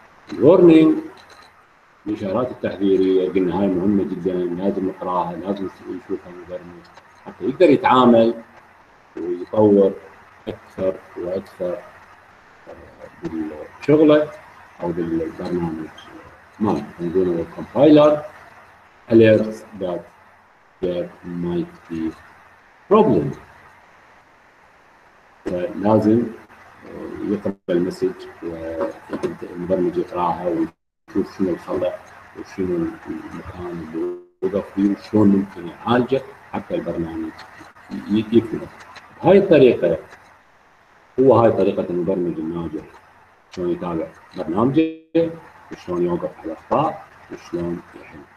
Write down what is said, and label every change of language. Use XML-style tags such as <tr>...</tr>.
<ar>Warning الإشارات التحذيرية قلنا هاي مهمة جدا، لازم يقرأها لازم يشوفها المبرمج حتى يقدر يتعامل ويطور اكثر واكثر بالشغله او بالبرنامج</ar> <en>might, and then our compiler alerts that there might be problem.</en> <ar>لازم يقرأ المسج والبرمجة يقرأها ويشوف شنو الخطأ وشنو المكان اللي وقف فيه وشلون ممكن يعالجه حتى البرنامج يكمل. بهاي الطريقة هو هاي طريقة المبرمج الناجح شلون يتابع برنامجه وشلون يوقف على الأخطاء وشلون يحل.</ar>